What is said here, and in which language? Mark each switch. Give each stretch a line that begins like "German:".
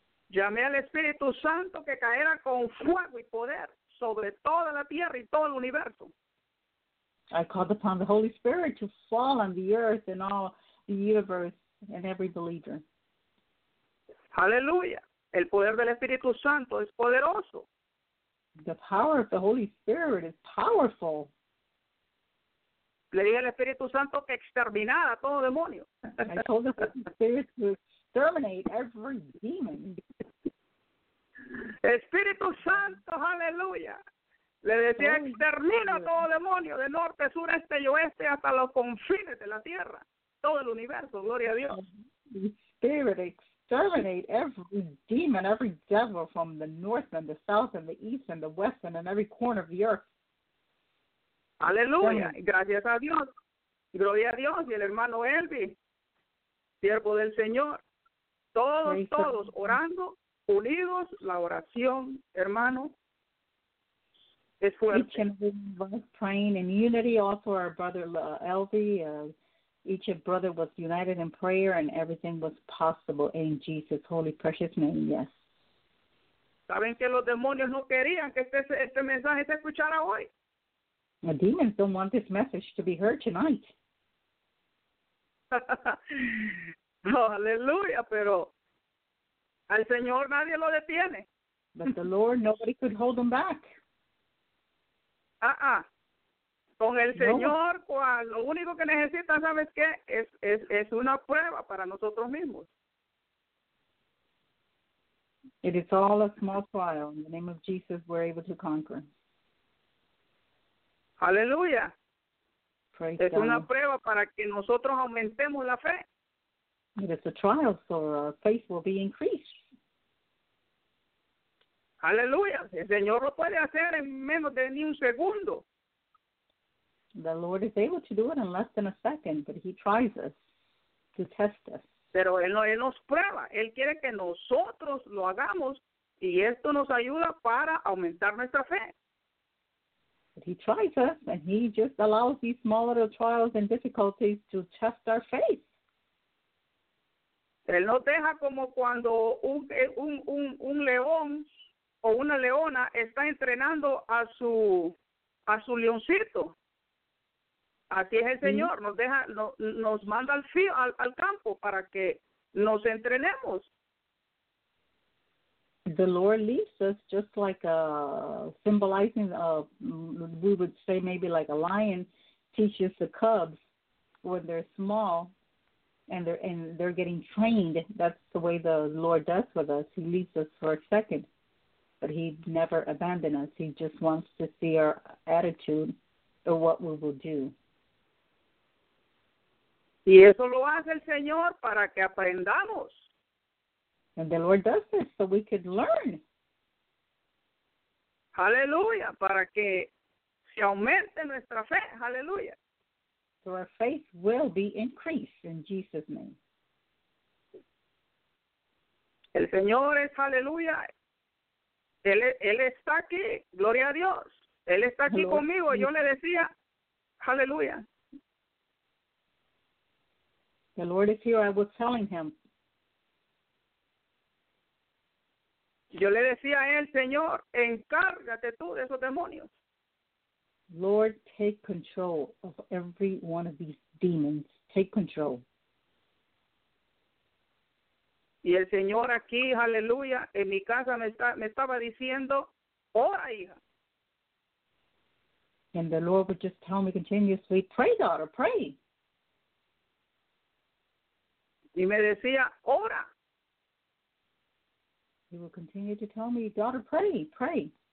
Spanish: Llamé al Espíritu Santo que caerá con fuego y poder sobre toda la tierra y todo el universo.
English: I called upon the Holy Spirit to fall on the earth and all the universe and every believer.
Spanish: Hallelujah. El poder del Espíritu Santo es poderoso.
English: The power of the Holy Spirit is powerful.
Spanish: Le dije al Espíritu Santo que exterminara todo demonio.
English: I told the Spirit to exterminate every demon.
Spanish: Espíritu Santo, aleluya. Le decía, extermina todo demonio, de norte, sur, este y oeste, hasta los confines de la tierra. Todo el universo, gloria a Dios.
English: Spirit, exterminate every demon, every devil from the north and the south and the east and the west and in every corner of the earth.
Spanish: Aleluya, gracias a Dios, gloria a Dios y el hermano Elvi, siervo del Señor, todos orando, unidos, la oración, hermano, es fuerte.
English: Each and every one praying in unity, also our brother Elvi, each brother was united in prayer and everything was possible in Jesus' holy precious name, yes.
Spanish: Saben que los demonios no querían que este mensaje se escuchara hoy.
English: The demons don't want this message to be heard tonight.
Spanish: Oh, hallelujah, pero al Señor nadie lo detiene.
English: But the Lord, nobody could hold them back.
Spanish: Con el Señor, lo único que necesitan, ¿sabes qué? Es una prueba para nosotros mismos.
English: It is all a small trial. In the name of Jesus, we're able to conquer.
Spanish: Aleluya.
English: Praise
Spanish: es una prueba para que nosotros aumentemos la fe.
English: It is a trial so our faith will be increased.
Spanish: Aleluya. El Señor lo puede hacer en menos de ni un segundo.
English: The Lord is able to do it in less than a second, but he tries us to test us.
Spanish: Pero él nos prueba. Él quiere que nosotros lo hagamos y esto nos ayuda para aumentar nuestra fe.
English: He tries us, and he just allows these small little trials and difficulties to test our faith.
Spanish: Él no deja como cuando un león o una leona está entrenando a su leoncito. Así es el Señor. Nos deja, nos manda al campo para que nos entrenemos.
English: The Lord leaves us just like symbolizing, we would say maybe like a lion teaches the cubs when they're small and they're getting trained. That's the way the Lord does with us. He leaves us for a second, but he never abandons us. He just wants to see our attitude or what we will do.
Spanish: Y eso lo hace el Señor para que aprendamos.
English: And the Lord does this so we could learn.
Spanish: Hallelujah. Para que se aumente nuestra fe. Hallelujah.
English: So our faith will be increased in Jesus' name.
Spanish: El Señor es hallelujah. Él está aquí. Gloria a Dios. Él está aquí
English: Lord.
Spanish: Conmigo. Yo le decía, hallelujah.
English: The Lord is here. I was telling him.
Spanish: Yo le decía a él, Señor, encárgate tú de esos demonios.
English: Lord, take control of every one of these demons. Take control.
Spanish: Y el Señor aquí, aleluya, en mi casa me estaba diciendo, ora, hija.
English: And the Lord would just tell me continuously, pray, daughter, pray.
Spanish: Y me decía, ora.
English: He would continue to tell me, daughter, pray, pray.